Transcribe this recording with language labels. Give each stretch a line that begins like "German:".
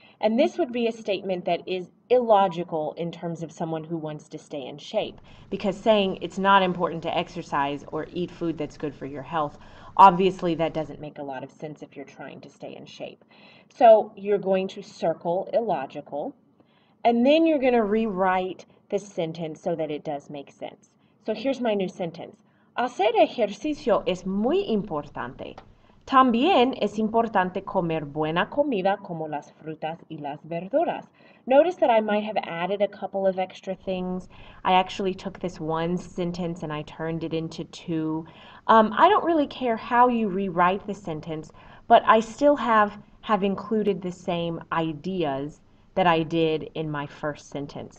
English: And this would be a statement that is illogical in terms of someone who wants to stay in shape, because saying it's not important to exercise or eat food that's good for your health, obviously that doesn't make a lot of sense if you're trying to stay in shape. So you're going to circle illogical, and then you're going to rewrite the sentence so that it does make sense. So here's my new sentence.
Spanish: Hacer ejercicio es muy importante. También es importante comer buena comida como las frutas y las verduras.
English: Notice that I might have added a couple of extra things. I actually took this one sentence and I turned it into two. I don't really care how you rewrite the sentence, but I still have included the same ideas that I did in my first sentence.